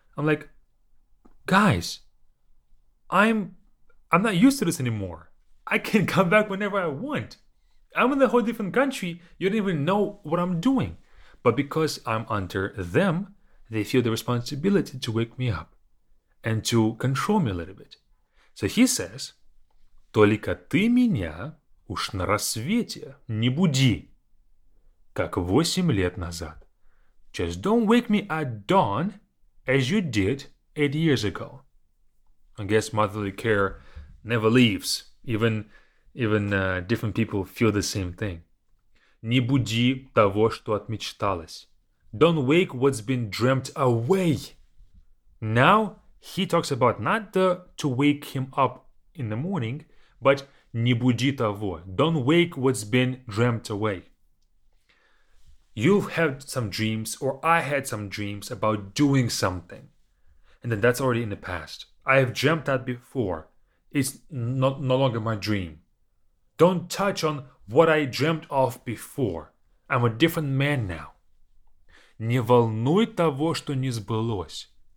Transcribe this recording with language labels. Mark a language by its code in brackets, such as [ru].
[en] I'm like, guys, I'm not used to this anymore. I can come back whenever I want. I'm in a whole different country. You don't even know what I'm doing. But because I'm under them, they feel the responsibility to wake me up and to control me a little bit. So he says, [ru] Только ты меня уж на рассвете не буди, как 8 лет назад. [en] Just don't wake me at dawn as you did 8 years ago. I guess motherly care never leaves. Even different people feel the same thing. [ru] Не буди того, что отмечталось. [en] Don't wake what's been dreamt away. Now he talks about not to wake him up in the morning, but [ru] не буди того. [en] Don't wake what's been dreamt away. You've had some dreams, or I had some dreams about doing something, and then that's already in the past. I have dreamt that before. It's no longer my dream. Don't touch on what I dreamt of before. I'm a different man now. [ru] Не волнуй того, что не сбылось.